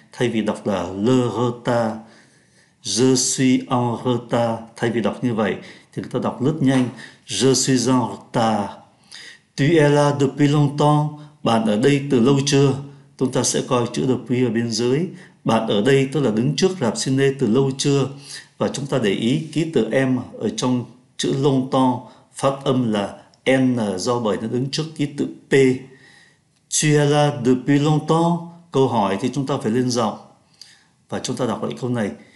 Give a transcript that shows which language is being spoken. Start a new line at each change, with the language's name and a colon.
Vietnamese: Thay vì đọc là
French: le retard. Je suis en retard.
Vietnamese: Thay vì đọc như vậy, thì người ta đọc rất nhanh.
French: Je suis en retard. Tu es là depuis longtemps.
Vietnamese: Bạn ở đây từ lâu chưa? Chúng ta sẽ coi chữ depuis ở bên dưới. Bạn ở đây, tức là đứng trước rạp ciné từ lâu chưa? Và chúng ta để ý ký tự em ở trong chữ longtemps phát âm là n, do bởi nó đứng trước ký tự p.
French: Tu es là depuis longtemps.
Vietnamese: Câu hỏi thì chúng ta phải lên giọng. Và chúng ta đọc lại câu này.